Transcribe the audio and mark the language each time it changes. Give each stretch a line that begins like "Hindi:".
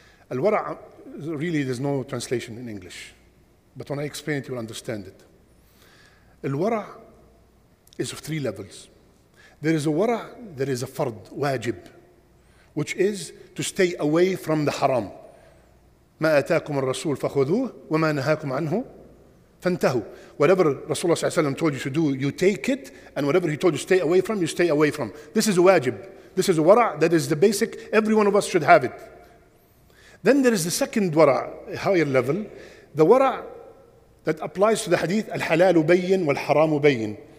English: Al-wara, really there's no translation in English. But when I explain it, you'll understand it. Al-wara is of three levels. There is a wara, there is a fard, wajib, which is to stay away from the haram.
Arabic: ما أتاكم الرسول فخذوه وما نهاكم عنه فانتهوا.
English: Whatever Rasulullah صلى الله عليه وسلم told you to do, you take it, and whatever he told you to stay away from, you stay away from. This is a wajib. This is a wara, that is the basic, every one of us should have it. Then there is the second wara, a higher level, the wara that applies to the hadith,
Arabic: الحلال بين والحرام بين.